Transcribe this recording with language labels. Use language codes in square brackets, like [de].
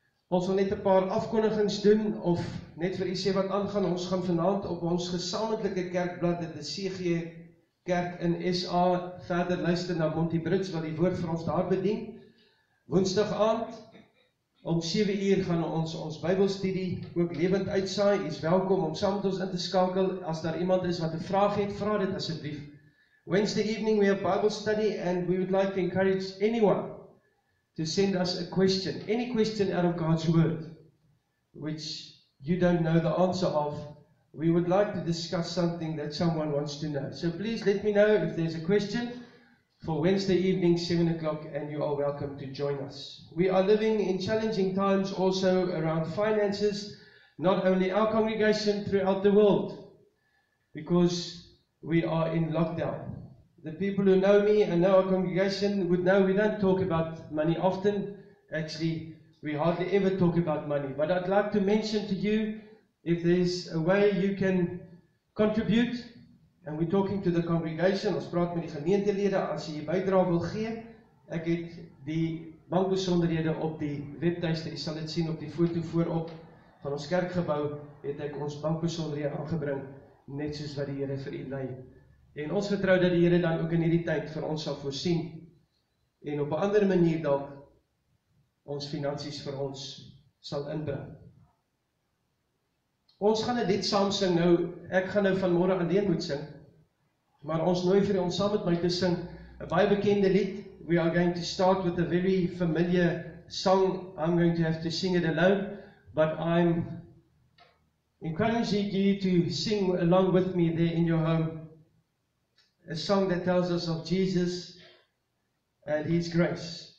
[af] Ons wil net 'n paar afkondigings doen, of net vir u sê wat aangaan. Ons gaan vanavond op ons gesamentlike kerkblad, dit is CG Kerk in SA, verder luister na Monty Brits, wat die woord vir ons daar bedien. Woensdag aand om 7 uur gaan ons Bybelstudie ook lewend uitsaai. U is welkom om saam met ons in te skakel. As daar iemand is wat 'n vraag het, vra dit asseblief. [en] Wednesday evening we have Bible study, and we would like to encourage anyone to send us a question. Any question out of God's word, which you don't know the answer of, We would like to discuss something that someone wants to know. So please let me know if there's a question for Wednesday evening, 7 o'clock, and you are welcome to join us. We are living in challenging times also around finances, not only our congregation, throughout the world, because we are in lockdown. The people who know me and know our congregation would know we don't talk about money often. Actually, we hardly ever talk about money. But I'd like to mention to you, if there's a way you can contribute, and we're talking to the congregation, [af] ons praat met die gemeentelede, as jy bydra wil gee, ek het die bankbesonderhede op die webtuiste, jy sal dit sien op die foto voorop van ons kerkgebou, het ek ons bankbesonderhede aangebring, net soos wat die Here vir u lei. En ons vertrou dat die Here dan ook in hierdie tyd vir ons sal voorsien, en op 'n ander manier dalk ons finansies vir ons sal inbring. Ons gaan een lied saam sing nou, ek gaan nou vanmorgen alleen moet sing, maar ons nooi vir ons saam met my te sing, een baie bekende lied. [en] We are going to start with a very familiar song. I'm going to have to sing it alone, but I'm encouraging you to sing along with me there in your home, a song that tells us of Jesus and His grace.